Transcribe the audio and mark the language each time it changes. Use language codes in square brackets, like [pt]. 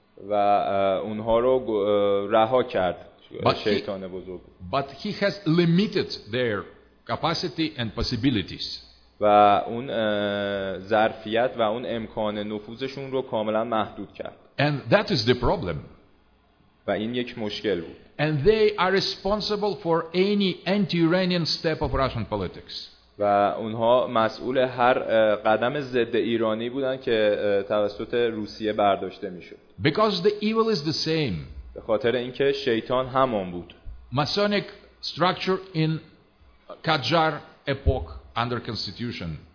[fa] و اونها رو رها کرد شیطان بزرگ. [en] But he has limited their capacity and possibilities. [fa] و اون ظرفیت و اون امکان نفوذشون رو کاملا محدود کرد. [en] And that is the problem. [fa] و این یک مشکل بود. [en] And they are responsible for any anti-Iranian step of Russian politics. [fa] و اونها مسئول هر قدم ضد ایرانی بودن که توسط روسیه برداشته میشد. [en] Because the evil is the same. [fa] به خاطر اینکه شیطان همون بود. [en] Masonic structure in Qajar epoch under constitution.